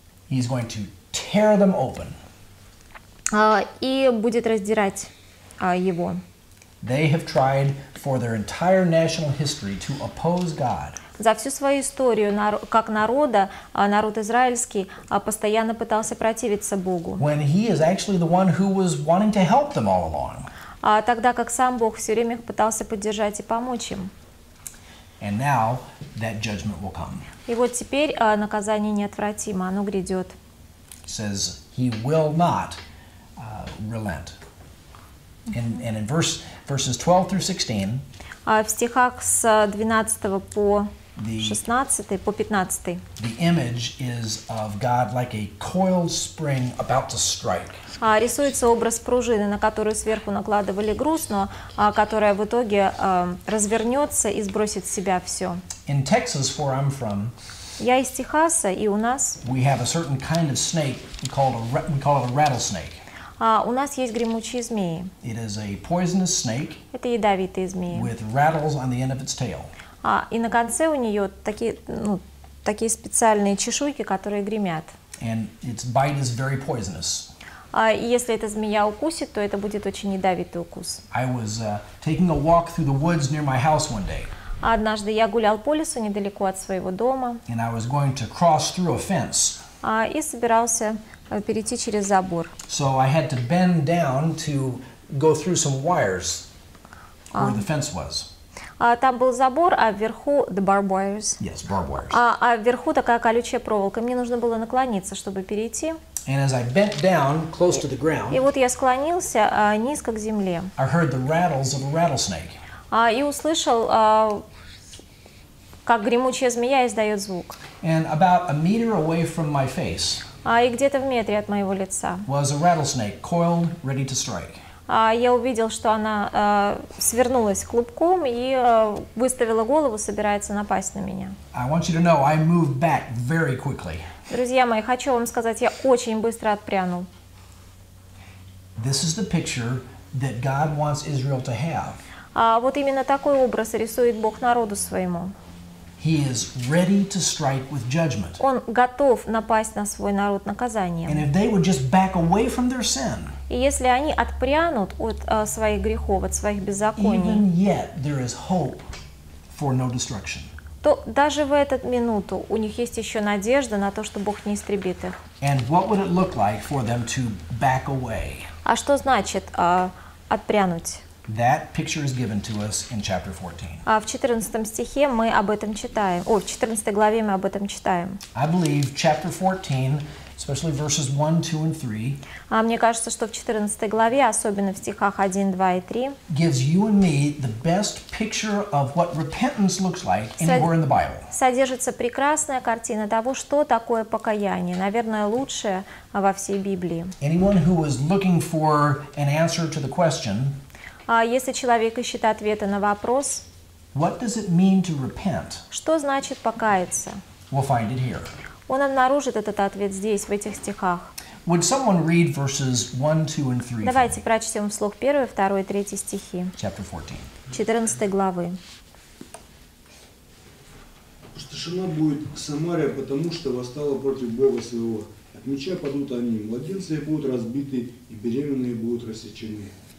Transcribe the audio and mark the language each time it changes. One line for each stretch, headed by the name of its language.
English: He's going to tear them open.
Russian: И будет раздирать его.
English: They have tried for their entire national history to oppose God.
Russian: За всю свою историю, как народа, народ израильский постоянно пытался противиться Богу.
English: When he is actually the one who was wanting to help them all along.
Russian: Тогда как сам Бог все время пытался поддержать и помочь им.
English: And now that judgment will come.
Russian: И вот теперь наказание неотвратимо, оно грядет.
English: Says he will not relent. And in verses 12 through 16.
Russian: В стихах с 12 по 16 по 15.
English: The image is of God like a coiled spring about to strike.
Russian: Рисуется образ пружины, на которую сверху накладывали груз, но которая в итоге развернется и сбросит с себя все.
English: In Texas, where I'm from,
Russian: я из Техаса, и у нас
English: we have a certain kind of snake we call it a rattlesnake.
Russian: У нас есть гремучие змеи.
English: It is a poisonous snake.
Russian: Это ядовитые змеи.
English: With rattles on the end of its tail.
Russian: И на конце у нее такие специальные чешуйки, которые гремят.
English: And its bite is very poisonous.
Russian: И если эта змея укусит, то это будет очень ядовитый укус.
English: I was taking a walk through the woods near my house one day.
Russian: Однажды я гулял по лесу недалеко от своего дома.
English: And I was going to cross through a fence.
Russian: И собирался перейти через забор.
English: So I had to bend down to go through some wires where the fence was.
Russian: Там был забор, а вверху
English: the barbed wires. Yes, barbed wires.
Russian: А вверху такая колючая проволока. Мне нужно было наклониться, чтобы перейти.
English: And as I bent down close to the ground.
Russian: И вот я склонился низко к земле.
English: I heard the rattles of a rattlesnake.
Russian: И услышал, как гремучая змея издает звук.
English: And about a meter away from my face.
Russian: И где-то в метре от моего лица.
English: Was a rattlesnake coiled, ready to strike.
Russian: Я увидел, что она свернулась клубком и выставила голову, собирается напасть на меня.
English: I want you to know, I moved back very quickly.
Russian: Друзья мои, хочу вам сказать, я очень быстро отпрянул.
English: This is the picture that God wants Israel to have.
Russian: Вот именно такой образ рисует Бог народу своему.
English: He is ready to strike with judgment.
Russian: Он готов напасть на свой народ наказанием.
English: And if they would just back away from their sin.
Russian: И если они отпрянут от своих грехов, от своих беззаконий.
English: Even yet there is hope for no destruction.
Russian: То даже в эту минуту у них есть еще надежда на то, что Бог не истребит их.
English: And what would it look like for them to back away?
Russian: А что значит отпрянуть?
English: That picture is given to us in chapter 14.
Russian: В 14 стихе мы об этом читаем. В 14 главе мы об этом читаем.
English: I believe chapter 14, especially verses 1, 2, and 3.
Russian: Мне кажется, что в 14 главе, особенно в стихах 1, 2 и 3,
English: gives you and me the best picture of what repentance looks like anywhere in the Bible.
Russian: Содержится прекрасная картина того, что такое покаяние, наверное, лучшее во всей Библии.
English: Anyone who was looking for an answer to the question.
Russian: Если человек ищет ответа на вопрос,
English: What does it mean to repent?
Russian: Что значит покаяться?
English: We'll find it here.
Russian: Он обнаружит этот ответ здесь, в этих стихах.
English: Would someone read verses 1, 2, and 3?
Russian: Давайте прочтем вслух 1, 2 и 3 стихи.
English: Chapter 14.
Russian: 14 главы. Пустошена будет Самария, потому что восстала против Бога своего. От меча падут они, младенцы будут разбиты, и беременные будут рассечены.